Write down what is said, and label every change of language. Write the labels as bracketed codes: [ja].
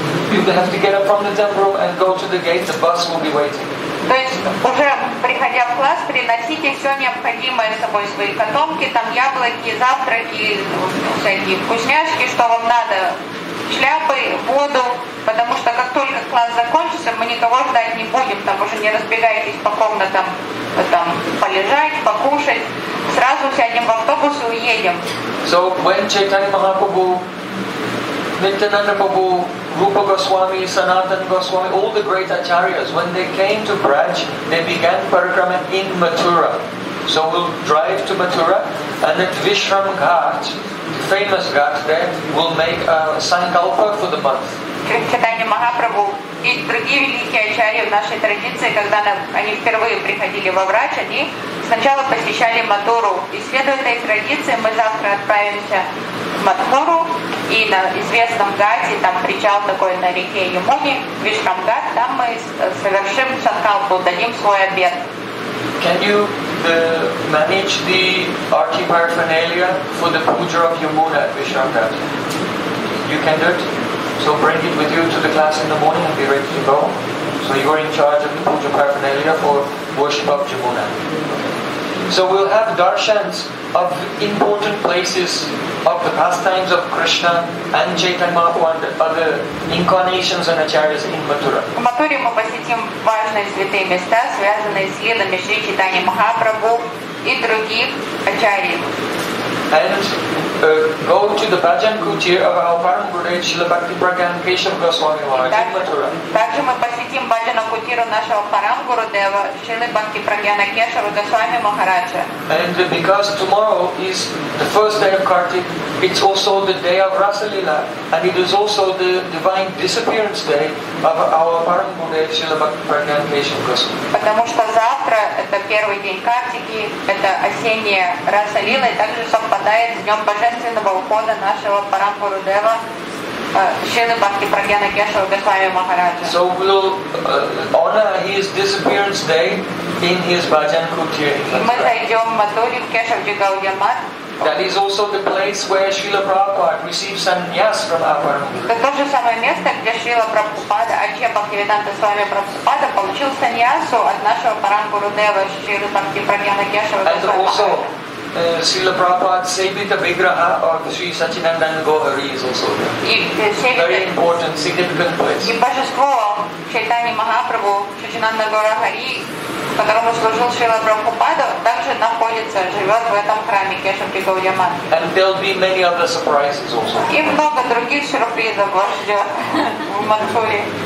[en] You have to get up from the temple room and go to the gate. The bus will be waiting. [ru] То есть уже приходя в класс, приносите все необходимое с собой, свои котомки, там яблоки, завтраки, всякие вкусняшки, что вам надо, шляпы, воду, потому что как только класс закончится, мы никого ждать не будем, там уже не разбегайтесь по комнатам, там полежать, покушать, сразу сядем в автобус и уедем. [en] So when Chaitanya Mahaprabhu, Nityananda Prabhu, Rupa Goswami, Sanatana Goswami, all the great acharyas, when they came to Braj, they began parikrama in Mathura. So we'll drive to Mathura, and at Vishram Ghat, the famous Ghat there, we'll make a sankalpa for the month. [ru] Chaitanya Mahaprabhu и другие великие ачарьи в нашей традиции, когда они впервые приходили во Врач, они сначала посещали Матуру. И следуя этой традиции, мы завтра отправимся Матхуру, и на известном гате, там причал такой на реке Ямуни, Вишрамгат, там мы совершим санкалпу, дадим свой обед. [en] Can you manage the arti paraphernalia for the puja of Yamuna at Vishrangat? You can do it. So bring it with you to the class in the morning and be ready to go. So you are in charge of the puja paraphernalia for worship of Yamuna. So we'll have darshans of important places of the pastimes of Krishna and Chaitanya Mahaprabhu and other incarnations and acharyas in Mathura. [ru] В Матхуре мы посетим важные святые места, связанные с лилами Шри Чайтаньи Махапрабху и других ачарий. [en] And go to the bhajan kutir of our Param Guru Srila Bhaktiprajna and Keshava Goswami Maharaj in Mathura. [ru] Также мы посетим бхаджана кутиру нашего Param Guru Deva Srila Bhaktiprajna Keshava Goswami Maharaj. [en] And because tomorrow is the first day of Kartik, it's also the day of Rasa Lila, and it is also the divine disappearance day of our Param Guru Srila Bhaktiprajna and Keshava Goswami. [ru] Потому что завтра это первый день Картики, это осенняя Раса Лила, и также совпадает с днем божественного ухода нашего Парам Гуру Дева Шрилы Бхакти Прагьяна Кешава Госвами Махараджа. [en] So we'll honor his disappearance day in his bhajan kutir. [ru] Мы зайдем в Матхуру в Кешавджи Гаудия Мат. [en] That is also the place where Srila Prabhupada received sannyas from our Param Guru. [ru] Это то же самое место, где Шрила Прабхупада, Ачья Бхактивиданта Свами Прабхупада, получил саньясу от нашего Парам Гуру Дева Шрилы Бхакти Прагьяна Кешава Госвами Махараджа. [en] Srila Prabhupada Sevita Vigraha of Sri Sachinandana Gohari is also there. Very important, significant place. [ru] И божество Чайтаньи Махапрабху Сачинанда Гохари, которому служил Шрила Прабхупада, также находится, живет в этом храме Кешапи Гаудия Мат. [en] And there will be many other surprises also. [ru] И много других сюрпризов вас ждет в Матхуре.